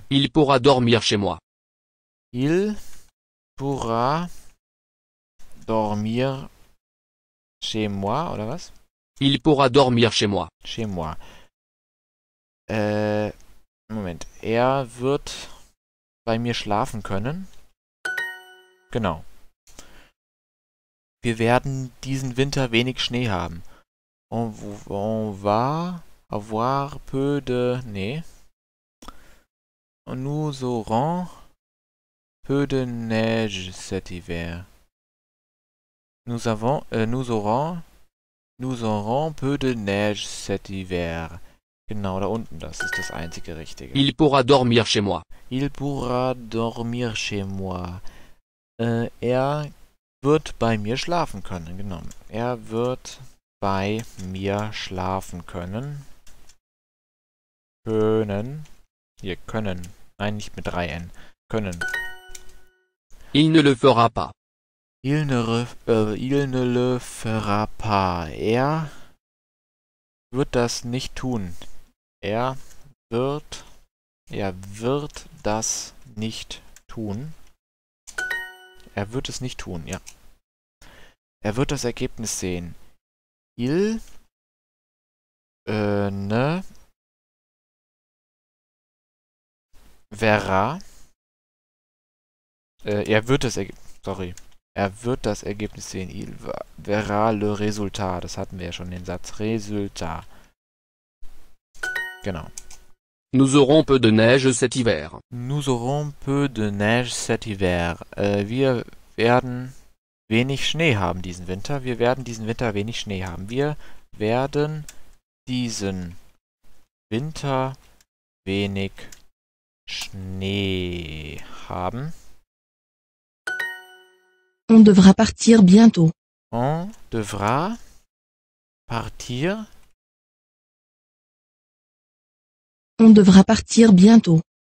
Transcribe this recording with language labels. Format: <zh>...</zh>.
<fr>Il pourra dormir chez moi. Il pourra dormir chez moi,</fr> <de>oder was?</de> <fr>Il pourra dormir chez moi. Chez moi.</fr> <de>Moment. Er wird bei mir schlafen können. Genau. Wir werden diesen Winter wenig Schnee haben.</de> <fr>On va avoir peu de...</fr> <de>Nee.</de> <fr>Nous aurons peu de neige cet hiver. Nous aurons peu de neige cet hiver.</fr> <de>Genau, da unten, das ist das einzige Richtige.</de> <fr>Il pourra dormir chez moi. Il pourra dormir chez moi.</fr> <de>Er wird bei mir schlafen können, genau. Er wird bei mir schlafen können. Können. Hier, können. Nein, nicht mit 3 N. Können.</de> <fr>Il ne le fera pas. Il ne le fera pas.</fr> <de>Er wird das nicht tun. Er wird das nicht tun. Er wird es nicht tun, ja. Er wird das Ergebnis sehen.</de> <fr>Il ne verra.</fr> <de>Er wird das Ergebnis. Sorry. Er wird das Ergebnis sehen.</de> <fr>Il verra le resultat.</fr> <de>Das hatten wir ja schon, den Satz. Resultat. Genau.</de> <fr>Nous aurons peu de neige cet hiver. Nous aurons peu de neige cet hiver.</fr> <de>Wir werden wenig Schnee haben diesen Winter. Wir werden diesen Winter wenig Schnee haben. Wir werden diesen Winter wenig Schnee haben.</de> <fr>On devra partir bientôt. On devra partir. On devra partir bientôt.</fr>